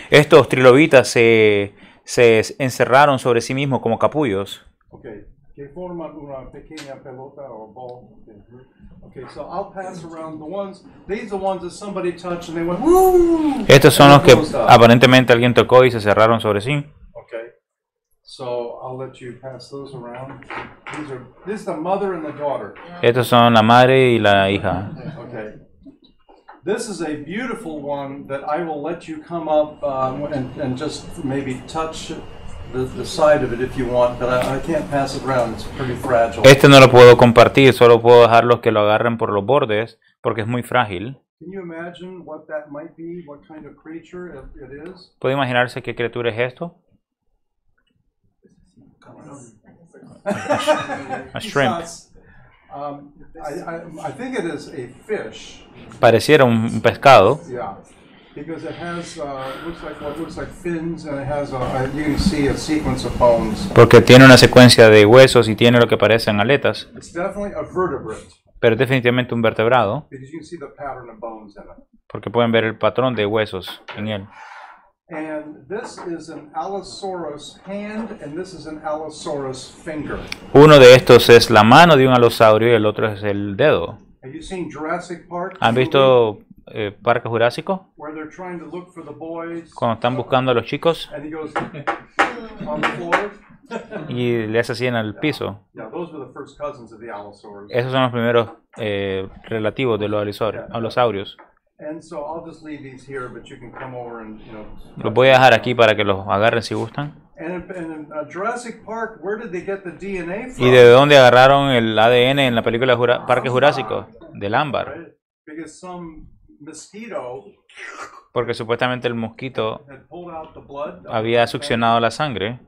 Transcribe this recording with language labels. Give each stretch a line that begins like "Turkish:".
Spanish: Estos trilobitas se encerraron sobre sí mismos como capullos. Okay. Que forman una pequeña pelota o ball.
English: Okay, so I'll pass around the ones. These are the ones that somebody touched and they went, woo!
Spanish: Estos son los que aparentemente alguien tocó y se cerraron sobre sí.
English: Okay, so I'll let you pass those around. This is the mother and the daughter.
Spanish: Estos son la madre y la hija.
English: Okay. This is a beautiful one that I will let you come up and just maybe touch the side of it if you want, but I can't pass it around. It's pretty fragile.
Spanish: Este no lo puedo compartir, solo puedo dejarlos que lo agarren por los bordes porque es muy frágil.
English: Can you imagine what that might be? What kind of creature it is?
Spanish: ¿Puede imaginarse qué criatura es esto?
English: A shrimp. I think it is a fish.
Spanish: Pareciera un pescado.
English: Yeah. Because it has looks like fins, and it has you can see a sequence of bones.
Spanish: Porque tiene una secuencia de huesos y tiene lo que parecen aletas.
English: It's definitely a vertebrate.
Spanish: Pero es definitivamente un vertebrado.
English: Because you can see the pattern of bones in it.
Spanish: Porque pueden ver el patrón de huesos en él.
English: And this is an Allosaurus hand, and this is an Allosaurus finger.
Spanish: Uno de estos es la mano de un alosaurio y el otro es el dedo.
English: Have you seen Jurassic Park?
Spanish: ¿Han visto Parque Jurásico?
English: Where they're trying to look for the boys,
Spanish: cuando están buscando a los chicos.
English: And he goes on the floor.
Spanish: Y le hace así en el piso.
English: Yeah, those were the first cousins of the allosaurs.
Spanish: Esos son los primeros relativos de los alosaurios.
English: And so I'll just leave these here, but you can come over and, you know.
Spanish: Los voy a dejar aquí para que los agarren si gustan.
English: And in Jurassic Park, where did they get the DNA from?
Spanish: ¿Y de dónde agarraron el ADN en la película Parque Jurásico? Del ámbar.
English: Right? Because some mosquito.
Spanish: Porque supuestamente el mosquito
English: had
Spanish: había succionado la sangre